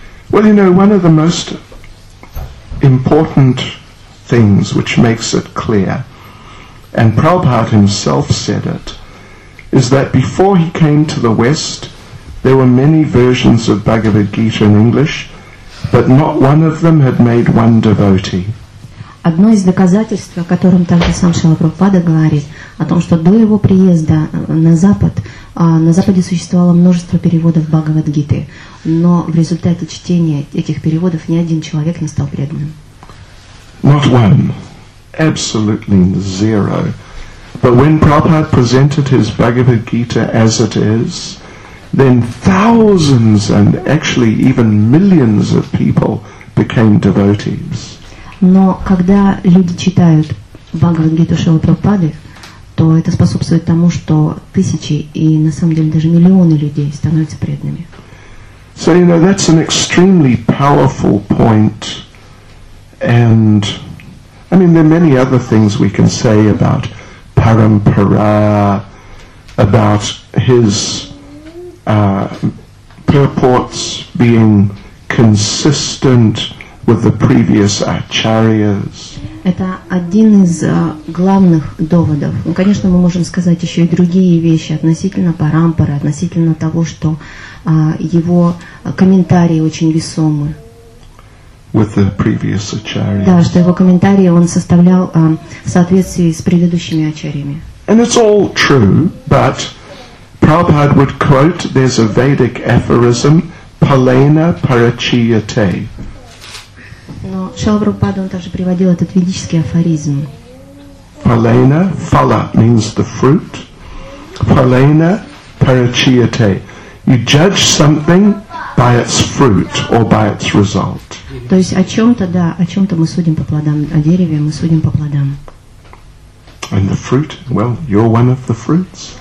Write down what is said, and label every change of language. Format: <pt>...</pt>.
<en>Well, you know, one of the most important things which makes it clear, and Prabhupada himself said it, is that before he came to the West, there were many versions of Bhagavad Gita in English, but not one of them had made one devotee.</en> <ru>Одно из доказательств, о котором также сам Шрила Прабхупада говорит, о том, что до его приезда на Запад, на Западе существовало множество переводов Бхагавад-гиты, но в результате чтения этих переводов ни один человек не стал преданным.</ru> <en>Not one. absolutely zero. But when Prabhupada presented his Bhagavad Gita as it is, then thousands and actually even millions of people became devotees.</en> <ru>Но когда люди читают Бхагавад Гиту Шрилы Прабхупады, то это способствует тому, что тысячи и на самом деле даже миллионы людей становятся преданными.</ru> <en>So you know that's an extremely powerful point, and I mean there are many other things we can say about Parampara, about his purports being consistent with the previous acharyas.</en> <ru>Это один из главных доводов. Ну, конечно, мы можем сказать еще и другие вещи относительно Парампары, относительно того, что его комментарии очень весомы.</ru> <en>With the previous acharyas.</en> <ru>Да, что его комментарии он составлял в соответствии с предыдущими ачарьями.</ru> <en>And it's all true, but Prabhupada would quote, there's a Vedic aphorism,</en> <sa>palena parachiyate.</sa> <ru>Но Шрила Прабхупада он также приводил этот ведический афоризм.</ru> <en>Palena, phala means the fruit.</en> <sa>Palena parachiyate.</sa> <en>You judge something by its fruit or by its result.</en> <ru>То есть о чем-то, да, о чем-то мы судим по плодам, о дереве мы судим по плодам.</ru> <en>And the fruit, well, you're one of the fruits.</en>